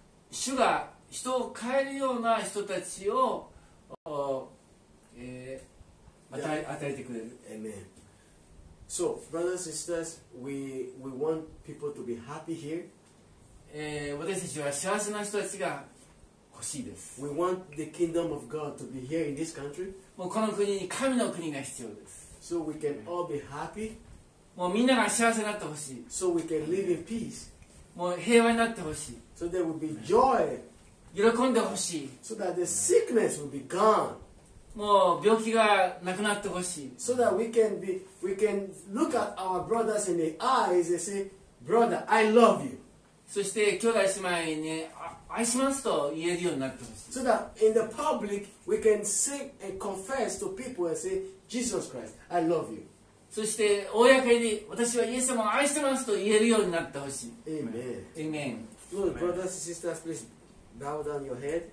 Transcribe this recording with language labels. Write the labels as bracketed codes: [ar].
[ja] 主が人を変えるような人たちを、与えてくれる。 [en] Amen. So, brothers and sisters, we want people to be happy here. [ja] 私たちは幸せな人たちがしいです。 [en] We want the kingdom of God to be here in this country. [ja] もうこの国に神の国が必要です。 [en] So we can all be happy. [ja] もうみんなが幸せになってほしい。 [en] So we can live in peace. [ja] もう平和になってほしい。 [en] So there will be joy. [ja] 喜んでほしい。 [en] So that the sickness will be gone. [ja] もう病気がなくなってほしい。 [en] So that we can look at our brothers in the eyes and say, brother, I love you. [ja] そして兄弟姉妹に愛しますと言えるようになってます。 [en] So that in the public we can sing and confess to people and say, Jesus Christ, I love you. [ja] そして公に私はイエス様を愛してますと言えるようになってほしい。 [en] Amen. Amen. Lord, brothers and sisters, please bow down your head.